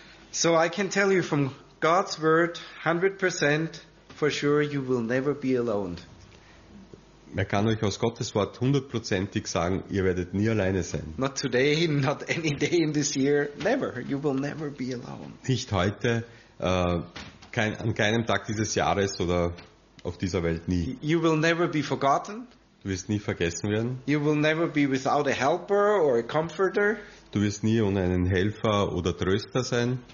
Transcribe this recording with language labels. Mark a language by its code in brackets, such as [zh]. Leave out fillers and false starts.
[en] So I can tell you from God's word, 100% for sure, you will never be alone. [de] Er kann euch aus Gottes Wort hundertprozentig sagen, ihr werdet nie alleine sein. [en] Not today, not any day in this year, never. You will never be alone. [de] Nicht heute, an keinem Tag dieses Jahres oder auf dieser Welt nie. [en] You will never be forgotten. [de] Du wirst nie vergessen werden. [en] You will never be without a helper or a comforter. [de] Du wirst nie ohne einen Helfer oder Tröster sein.